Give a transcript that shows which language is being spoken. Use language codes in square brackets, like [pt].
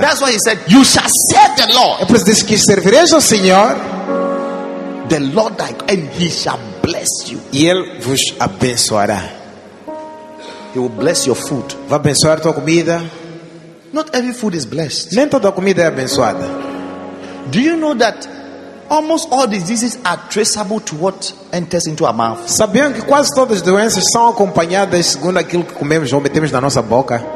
[en] That's why He said, "You shall serve the Lord." [pt] É por isso que disse que servireis ao Senhor. [en] The Lord thy God, and He shall bless you. [pt] E Ele vos abençoará. [en] He will bless your food. [pt] Vai abençoar tua comida. [en] Not every food is blessed. [pt] Nem toda comida é abençoada. [en] Do you know that almost all diseases are traceable to what enters into our mouth? [pt] Sabiam que quase todas as doenças são acompanhadas segundo aquilo que comemos ou metemos na nossa boca?